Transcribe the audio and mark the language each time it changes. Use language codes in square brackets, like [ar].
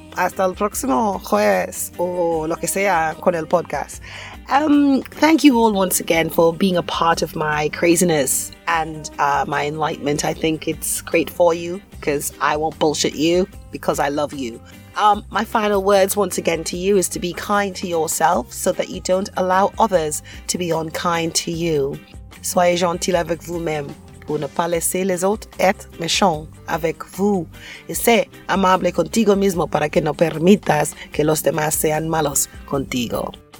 [es] Hasta el próximo jueves o lo que sea con el podcast. [en] Thank you all once again for being a part of my craziness and my enlightenment. I think it's great for you because I won't bullshit you because I love you. My final words once again to you is to be kind to yourself so that you don't allow others to be unkind to you. [fr] Soyez gentil avec vous-même pour ne pas laisser les autres être méchants avec vous. [es] Et sé amable contigo mismo para que no permitas que los demás sean malos contigo.